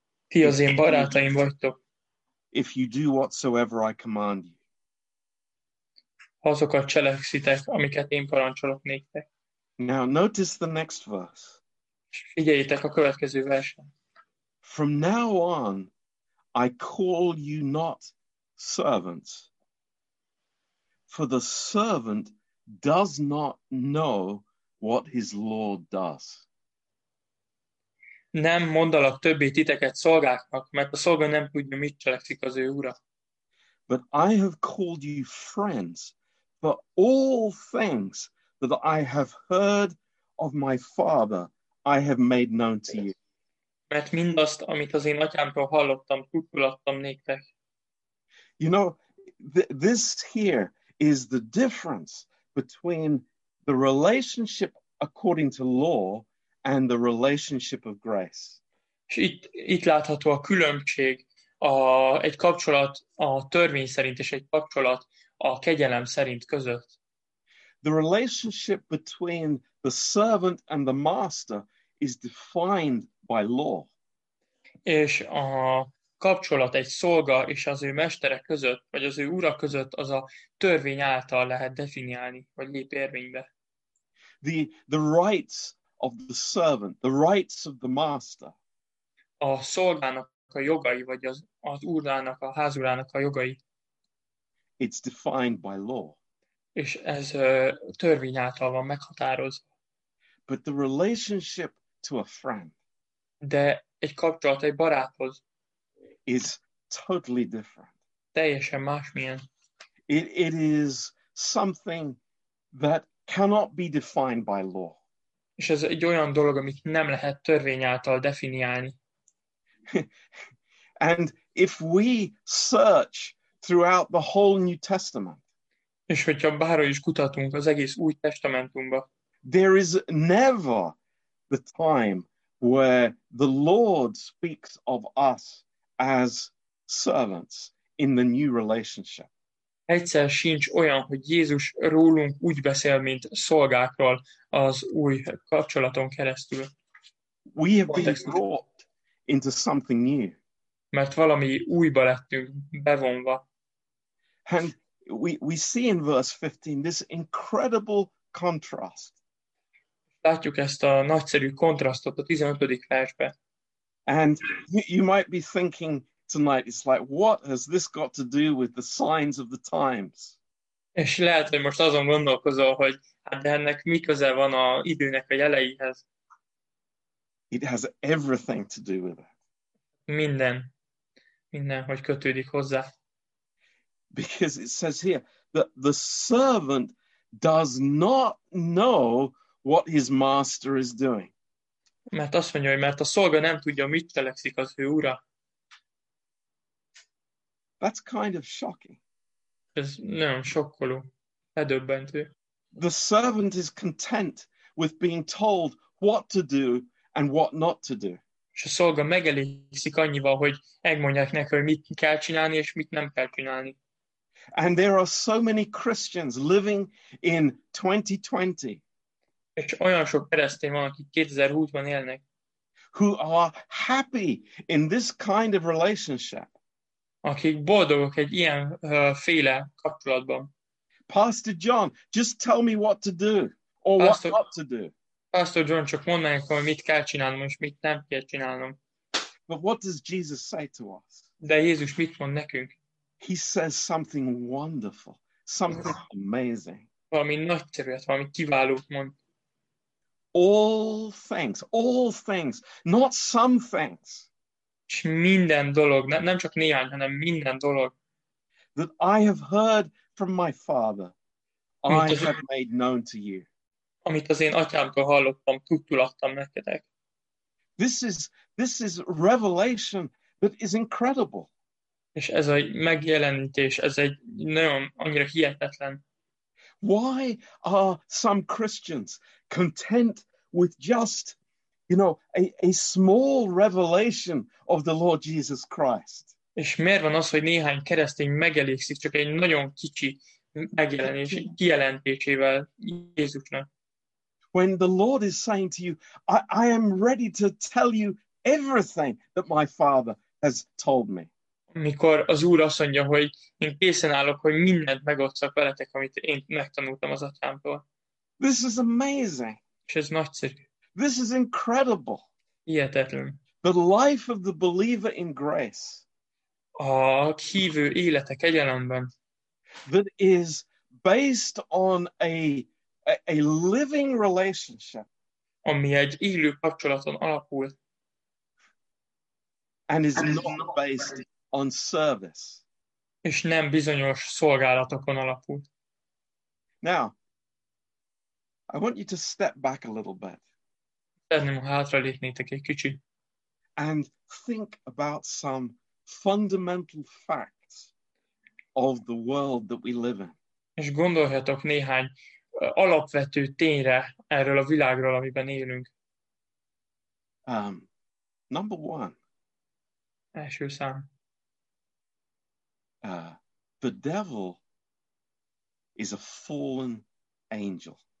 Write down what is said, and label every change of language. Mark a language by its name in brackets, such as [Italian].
[Hungarian] Ti az én barátaim vagytok. [English] If you do whatsoever I command you. [Hungarian] Ha azokat cselekszitek, amiket én parancsolok néktek. [English] Now notice the next verse. [Hungarian] Figyeljétek a következő versen. [English] From now on, I call you not servants, for the servant does not know what his Lord does. [Hungarian] Nem mondalak többé titeket szolgáknak, mert a szolga nem tudja, mit cselekszik az ő ura. [English] But I have called you friends, for all things that I have heard of my Father, I have made known to you. [Hungarian] Mert mindazt, amit az én atyámtól hallottam, tudtulattam néktek. [English] You know, this here is the difference between the relationship according to law and the relationship of grace. [Hungarian] És itt látható a különbség, egy kapcsolat a törvény szerint és egy kapcsolat a kegyelem szerint között. [English] The relationship between the servant and the master is defined by law. [Hungarian] És a kapcsolat egy szolga és az ő mestere között, vagy az ő ura között, az a törvény által lehet definiálni, vagy lép érvénybe. [English] The rights of the servant, the rights of the master. [Hungarian] A szolgának a jogai, vagy az úrának, a házúrának a jogai. [English] It's defined by law. [Hungarian] És ez törvény által van meghatározva. [English] But the relationship to a friend. [Hungarian] De egy kapcsolat egy baráthoz. [English] Is totally different. [Hungarian] Teljesen másmilyen. [English] It is something that cannot be defined by law. [Hungarian] És ez egy olyan dolog, amit nem lehet törvény által definiálni. [English] And if we search throughout the whole New Testament, [Hungarian] és hogyha bárhol is kutatunk az egész Új Testamentumba, [English] there is never the time where the Lord speaks of us as servants in the new relationship. [Hungarian] Egyszer sincs olyan, hogy Jézus rólunk úgy beszél, mint szolgákról az új kapcsolaton keresztül. [English] We have been brought into something new. [Hungarian] Mert valami újba lettünk bevonva. [English] And we see in verse 15 this incredible contrast. [Hungarian] Látjuk ezt a nagyszerű kontrasztot a 15. versben. [English] And you might be thinking tonight, it's like, what has this got to do with the signs of the times? [Hungarian] És lehet, hogy most azon gondolkozol, hogy hát ennek mi köze van a időnek a jeleihez. [English] It has everything to do with it. [Hungarian] Minden, hogy kötődik hozzá. [English] Because it says here that the servant does not know what his master is doing. [Hungarian] Mert azt mondja, hogy mert a szolga nem tudja, mit cselekszik az ő ura. [English] That's kind of shocking. [Hungarian] Ez nagyon sokkoló, ledöbbentő. [English] The servant is content with being told what to do and what not to do. [Hungarian] És a szolga megelégszik annyival, hogy megmondják neki, hogy mit kell csinálni és mit nem kell csinálni. [English] And there are so many Christians living in 2020. [Hungarian] És olyan sok keresztény van, akik 2020-ban élnek. [English] Who are happy in this kind of relationship. [Hungarian] Akik boldogok egy ilyen féle kapcsolatban. [English] Pastor John, just tell me what to do, or Pastor, what not to do. [Hungarian] Pastor John, csak mondd meg, hogy mit kell csinálnom, és mit nem kell csinálnom. [English] But what does Jesus say to us? [Hungarian] De Jézus mit mond nekünk? [English] He says something wonderful, something amazing. [Hungarian] Valami nagyszerűet, valami kiválót mond. [English] All things, not some things. [Hungarian] És minden dolog, nem csak néhány, hanem minden dolog. [English] That I have heard from my Father, I have made known to you. [Hungarian] Amit az én atyámtól hallottam, tudtul adtam nektek. [English] This is revelation that is incredible. [Hungarian] És ez a megjelenítés, ez egy nagyon annyira hihetetlen. [English] Why are some Christians content with just, you know, a small revelation of the Lord Jesus Christ? [Hungarian] És miért van az, hogy néhány keresztény megelégszik csak egy nagyon kicsi megjelenési kijelentésével Jézusnak? [English] When the Lord is saying to you, I am ready to tell you everything that my Father has told me. [Hungarian] Mikor az Úr azt mondja, hogy én készen állok, hogy mindent megosszak veletek, amit én megtanultam az atyámtól. [English] This is amazing. [Hungarian] És ez nagyszerű. [English] This is incredible. [Hungarian] Hihetetlen. [English] The life of the believer in grace. [Hungarian] A hívő élete kegyelemben. [English] That is based on a living relationship. [Hungarian] Ami egy élő kapcsolaton alapul. [English] And is not based on service. [Hungarian] És nem bizonyos szolgálatokon alapul. [English] Now, I want you to step back a little bit. [Hungarian] Szeretném, ha hátralépnétek egy kicsit. [English] And think about some fundamental facts of the world that we live in. [Hungarian] És gondolhatok néhány alapvető tényre erről a világról, amiben élünk. [English] Number one. [Hungarian] Első szám. [English] The devil is a fallen angel.